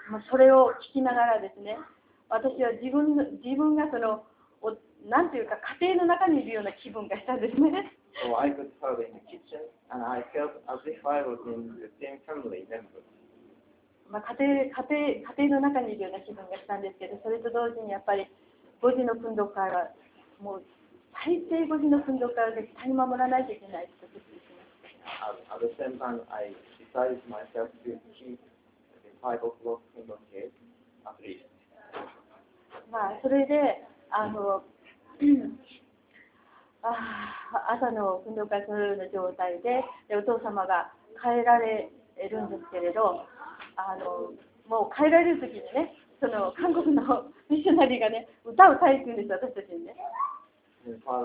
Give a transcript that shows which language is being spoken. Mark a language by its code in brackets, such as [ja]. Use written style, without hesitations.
[ja] それを聞きながらですね、私は自分がそのなんていうか家庭の中にいるような気分がしたんですね。 [en] So I could feel in the kitchen and I felt as if I was in the same family members. [ja] まあ、家庭の中にいるような気分がしたんですけど、それと同時にやっぱり5時の訓読会はもう最低5時の訓読会は絶対守らないといけないと決意しました。 [en] At the same time, I decided myself to keep the 5 o'clock 訓読会 at least. [ja] まあそれで朝の訓読会そのような状態 でお父様が帰られるんですけれど、もう帰られるときにね、その韓国のミッショナリーがね、歌を歌いするんです、私たちにね。